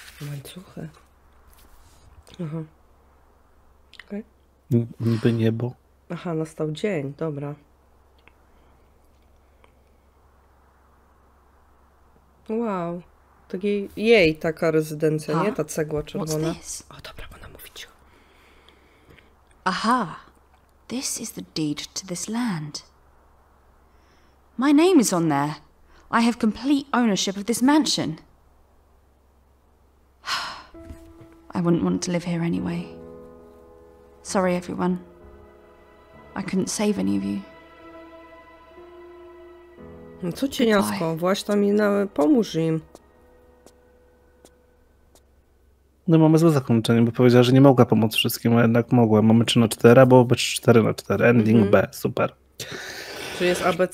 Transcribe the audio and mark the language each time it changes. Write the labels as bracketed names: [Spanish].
[Polish] Łańcuchy. Aha. Okej. Okay. Niby niebo. Aha, nastał dzień, dobra. Wow. Taki jej taka rezydencja, a? Nie ta cegła czerwona. O, dobra, ona mówi cicho. [English] Aha, this is the deed to this land. My name is on there. I have complete ownership of this mansion. I wouldn't want to live here anyway. Sorry, everyone. I couldn't save any of you. [Polish] No co cieniasko, właśnie tam minęły, pomóż im. No mamy złe zakończenie, bo powiedziała, że nie mogła pomóc wszystkim, a jednak mogła. Mamy 3 na 4, bo 4 na 4. Ending B, super. Czy jest ABCD?